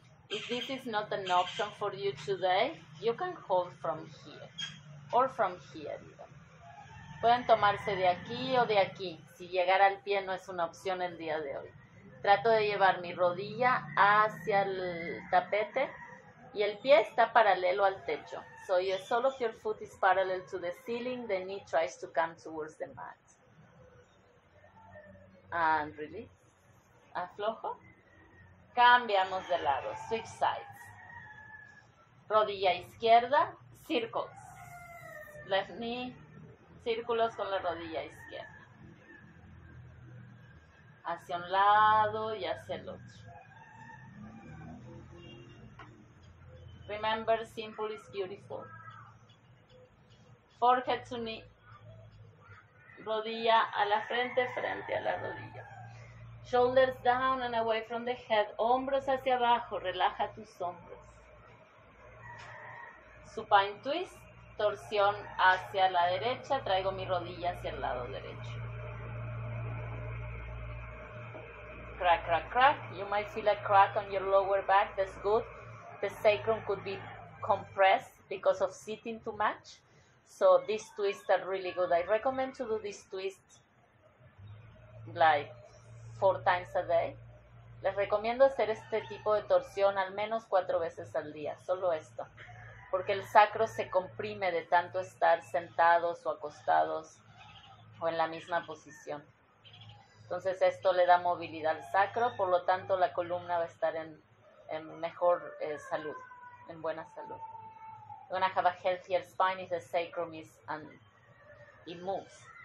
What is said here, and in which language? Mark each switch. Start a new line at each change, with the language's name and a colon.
English: If this is not an option for you today, you can hold from here. Or from here, even.
Spanish: Pueden tomarse de aquí o de aquí. Si llegar al pie no es una opción el día de hoy. Trato de llevar mi rodilla hacia el tapete. Y el pie está paralelo al techo.
English: So your sole of your foot is parallel to the ceiling, the knee tries to come towards the mat. And release.
Spanish: Aflojo. Cambiamos de lado.
English: Switch sides.
Spanish: Rodilla izquierda.
English: Circles. Left knee.
Spanish: Círculos con la rodilla izquierda. Hacia un lado y hacia el otro.
English: Remember, simple is beautiful. Forehead to knee.
Spanish: Rodilla a la frente, frente a la rodilla.
English: Shoulders down and away from the head.
Spanish: Hombros hacia abajo. Relaja tus hombros.
English: Supine twist,
Spanish: torsión hacia la derecha, traigo mi rodilla hacia el lado derecho.
English: Crack, crack, crack. You might feel a crack on your lower back. That's good. The sacrum could be compressed because of sitting too much. So these twists are really good. I recommend to do these twists like 4 times a day.
Spanish: Les recomiendo hacer este tipo de torsión al menos 4 veces al día. Solo esto. Porque el sacro se comprime de tanto estar sentados o acostados o en la misma posición. Entonces esto le da movilidad al sacro, por lo tanto la columna va a estar en mejor salud, en buena salud.
English: You're gonna have a healthier spine if the sacrum is and it moves.